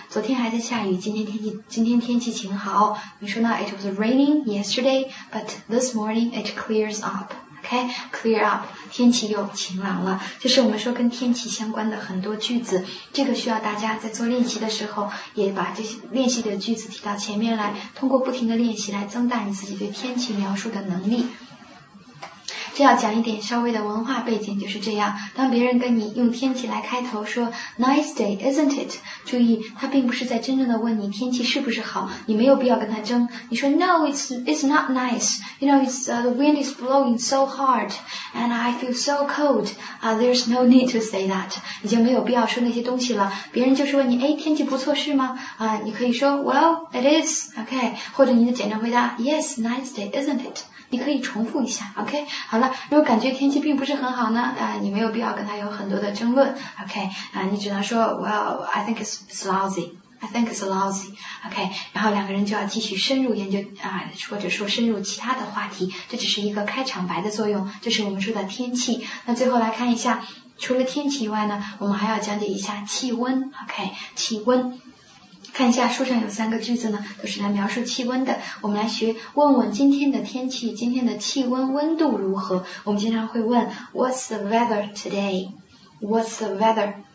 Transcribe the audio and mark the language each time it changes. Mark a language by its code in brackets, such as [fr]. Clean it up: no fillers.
[zh] 昨天还在下雨，今天天气晴好。 [en] 你说呢？It was raining yesterday, but this morning it clears up. [zh] OK， clear up， 天气又晴朗了。这是我们说跟天气相关的很多句子。这个需要大家在做练习的时候，也把这些练习的句子提到前面来，通过不停的练习来增大你自己对天气描述的能力。这要讲一点稍微的文化背景，就是这样，当别人跟你用天气来开头说 Nice day, isn't it? 注意他并不是在真正的问你天气是不是好，你没有必要跟他争，你说 No, it's not nice. [en] You know, the wind is blowing so hard and I feel so cold. [zh] There's no need to say that. 已经没有必要说那些东西了，别人就是问你，哎，天气不错是吗，你可以说 Well, it is, OK, 或者你的简单回答 Yes, nice day, isn't it? 你可以重复一下 ,OK? 好了，如果感觉天气并不是很好呢，你没有必要跟他有很多的争论 ,OK? [en] 你只能说 ,Well, I think it's lousy, I think it's lousy, OK? [zh] 然后两个人就要继续深入研究或者说深入其他的话题，这只是一个开场白的作用，这是我们说的天气。那最后来看一下，除了天气以外呢，我们还要讲解一下气温 ,OK? 气温。看一下书上有三个句子呢，都是来描述气温的。我们来学问问今天的天气，今天的气温温度如何？ [en] 我们经常会问 What's the weather today? What's the weather?